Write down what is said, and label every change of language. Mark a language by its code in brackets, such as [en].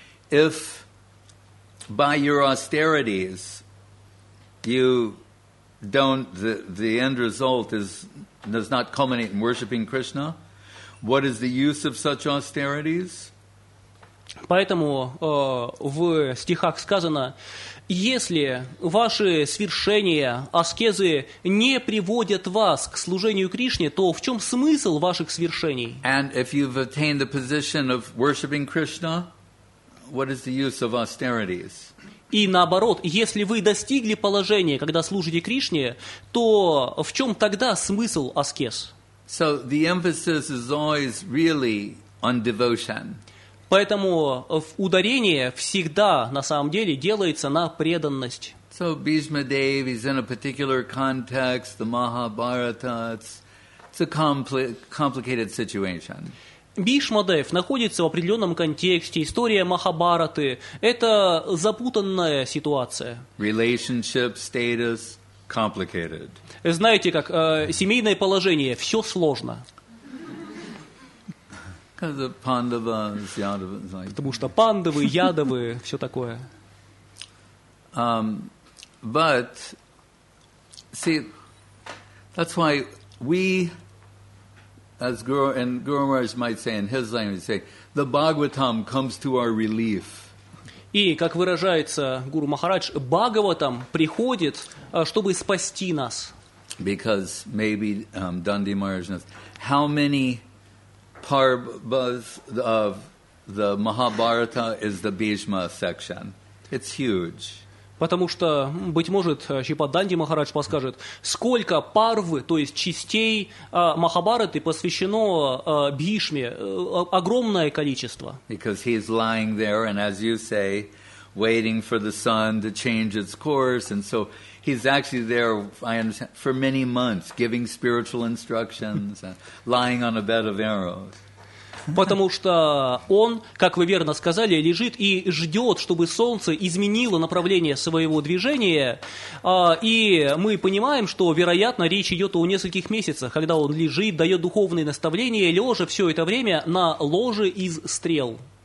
[en] If by your austerities you don't, the end result is does not culminate in worshiping Krishna, what is the use of such austerities? [ru] Поэтому в стихах сказано, если ваши свершения, аскезы не приводят вас к служению Кришне, то в чем смысл ваших свершений? [en] And if you've attained the position of worshiping Krishna, what is the use of austerities? [ru] И наоборот, если вы достигли положения, когда служите Кришне, то в чем тогда смысл аскез? [en] So the emphasis is always really on devotion. [ru] Поэтому ударение всегда, на самом деле, делается на преданность. [en] So Bhishma Dev is in a particular context, the Mahabharata, it's a complicated situation. [ru] Bhishma Dev находится в определенном контексте, история Махабхараты, это запутанная ситуация. [en] Relationship, status, complicated. [ru] Знаете как, семейное положение, все сложно. Потому что пандавы, ядавы, все такое. [en] But see, that's why we, as Guru Maharaj might say in his language, say the Bhagavatam comes to our relief. [ru] И как выражается Гуру Махарадж, Бхагаватам приходит, чтобы спасти нас. [en] Because maybe Dandi Maharaj knows how many parvas of the Mahabharata is the Bhishma section. It's huge. [ru] Потому что, быть может, Шипад Данди Махарадж подскажет, сколько парвы, то есть частей Махабхараты посвящено Бхишме, огромное количество. [en] Because he's lying there, and as you say, waiting for the sun to change its course, and so he's actually there, I understand, for many months, giving spiritual instructions, lying on a bed of arrows. [ru] Потому что он, как вы верно сказали, лежит и ждет, чтобы солнце изменило направление своего движения. И мы понимаем, что, вероятно, речь идет о нескольких месяцах, когда он лежит, дает духовные наставления, лежа все это время на ложе из стрел.